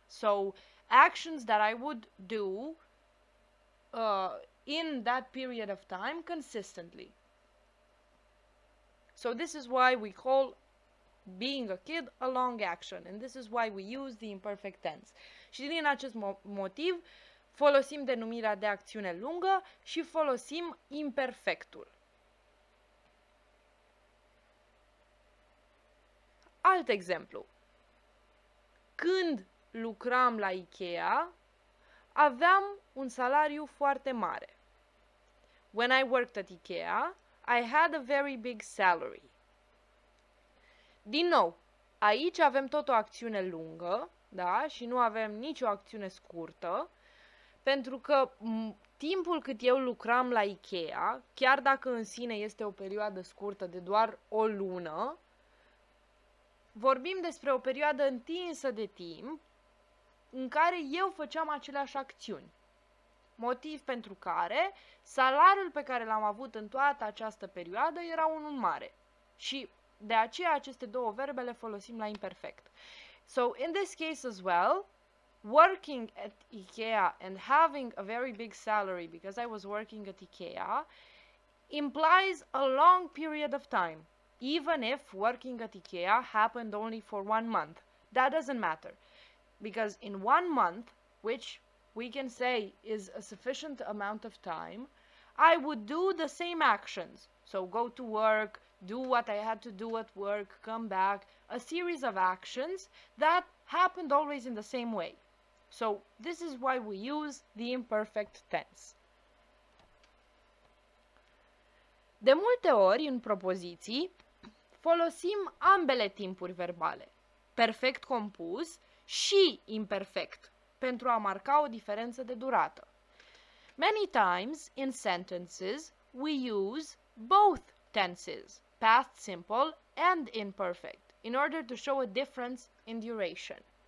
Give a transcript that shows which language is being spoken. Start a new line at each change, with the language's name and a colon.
English: So, actions that I would do in that period of time consistently. So this is why we call being a kid a long action, and this is why we use the imperfect tense.
Romanian: Și din acest motiv folosim denumirea de acțiune lungă și folosim imperfectul. Alt exemplu. Când lucram la IKEA, aveam un salariu foarte mare.
English: When I worked at IKEA, I had a very big salary.
Romanian: Din nou, aici avem tot o acțiune lungă, da, și nu avem nicio acțiune scurtă, pentru că timpul cât eu lucram la IKEA, chiar dacă în sine este o perioadă scurtă de doar o lună, vorbim despre o perioadă întinsă de timp în care eu făceam aceleași acțiuni. Motiv pentru care salariul pe care l-am avut în toată această perioadă era unul mare. Și de aceea aceste două verbe le folosim la imperfect.
English: So, in this case as well, working at IKEA and having a very big salary because I was working at IKEA implies a long period of time. Even if working at IKEA happened only for one month. That doesn't matter. Because in one month, which we can say is a sufficient amount of time, I would do the same actions. So go to work, do what I had to do at work, come back, a series of actions that happened always in the same way. So this is why we use the imperfect tense.
Romanian: De multe ori în propoziții folosim ambele timpuri verbale, perfect compus și imperfect, pentru a marca o diferență de durată.
English: Many times in sentences we use both tenses, past simple and imperfect, in order to show a difference in duration.